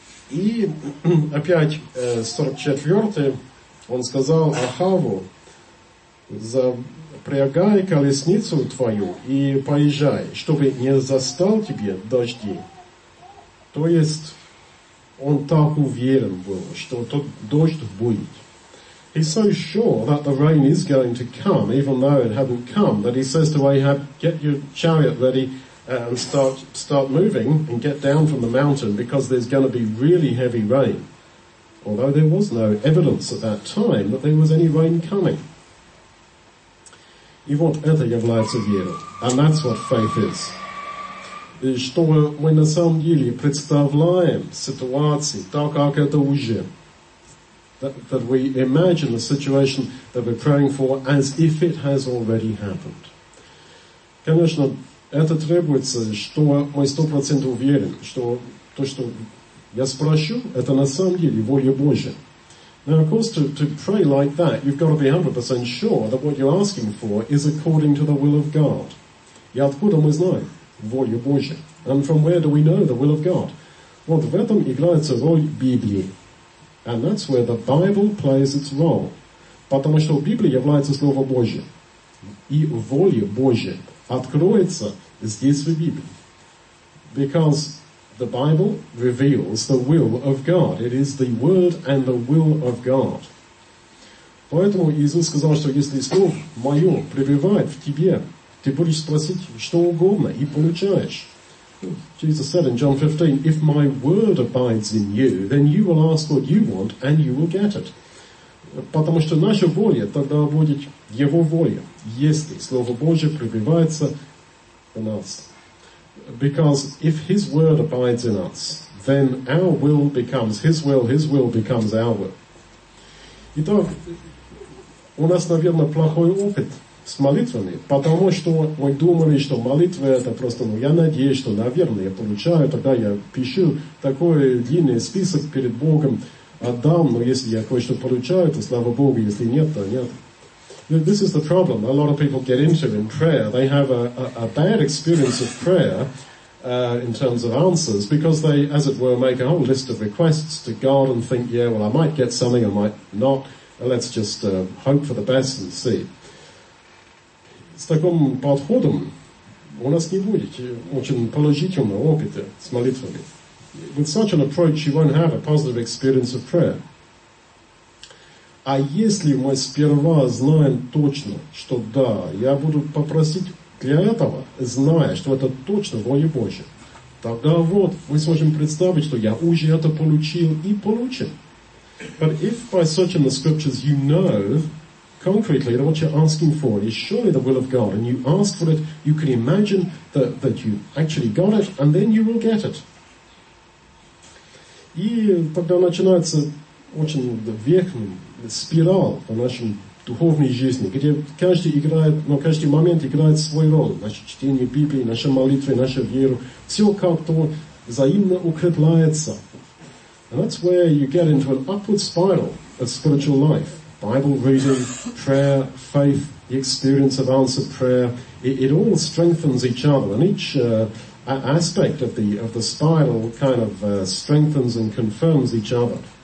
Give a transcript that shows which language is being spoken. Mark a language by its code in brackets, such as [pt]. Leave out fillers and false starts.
[ru] И опять 44-й, он сказал Ахаву, запрягай колесницу твою и поезжай, чтобы не застал тебе дожди. То есть он так уверен был, что тот дождь будет. [en] He's so sure that the rain is going to come, even though it hadn't come, that he says to Ahab, get your chariot ready and start moving and get down from the mountain because there's going to be really heavy rain. Although there was no evidence at that time that there was any rain coming. [ru] И вот это является верой. [en] And that's what faith is. [ru] И что мы на самом деле представляем ситуации, так как это уже. [en] That we imagine the situation that we're praying for as if it has already happened. [ru] Конечно, это требуется, что мы 100% уверен, что то, что я спрошу, это на самом деле воля Божия. [en] Now, of course, to pray like that, you've got to be 100% sure that what you're asking for is according to the will of God. [ru] И откуда мы знаем воля Божия? [en] And from where do we know the will of God? [ru] Вот в этом играется роль Библии. [en] And that's where the Bible plays its role. [ru] Потому что Библия является Слово Божие. И воля Божия откроется здесь в Библии. [en] Because the Bible reveals the will of God. It is the Word and the will of God. [ru] Поэтому Иисус сказал, что если Слово Мое пребывает в тебе, ты будешь спросить что угодно и получаешь. [en] Jesus said in John 15, if my word abides in you, then you will ask what you want and you will get it. [ru] Потому что наша воля тогда будет его воля, если Слово Божие пребывается в нас. [en] Because if his word abides in us, then our will becomes his will becomes our will. [ru] Итак, у нас, наверное, плохой опыт с молитвами, потому что мы думали, что молитва это просто, ну, я надеюсь, что, наверное, я получаю, тогда я пишу такой длинный список перед Богом, отдам, но если я кое-что получаю, то слава Богу, если нет, то нет. [en] This is the problem a lot of people get into in prayer. They have a bad experience of prayer in terms of answers because they, as it were, make a whole list of requests to God and think, yeah, well, I might get something, I might not. Let's just hope for the best and see. [ru] С таким подходом у нас не будет очень положительного опыта с молитвами. [en] With such an approach, you won't have a positive experience of prayer. [ru] А если мы сперва знаем точно, что да, я буду попросить к для этого, зная, что это точно воля Божья, тогда вот мы сможем представить, что я уже это получил и получен. [en] But if by searching the scriptures you know concretely that what you're asking for is surely the will of God, and you ask for it, you can imagine that you actually got it, and then you will get it. [ru] И тогда начинается очень верхняя спираль в нашем духовной жизни, где каждый играет, но каждый момент играет свою роль. Наше чтение Библии, наша молитва, наша вера. Все как-то взаимно укрепляется. [en] And that's where you get into an upward spiral of spiritual life. Bible reading, prayer, faith, the experience of answered prayer. It all strengthens each other. And each aspect of the spiral kind of strengthens and confirms each other.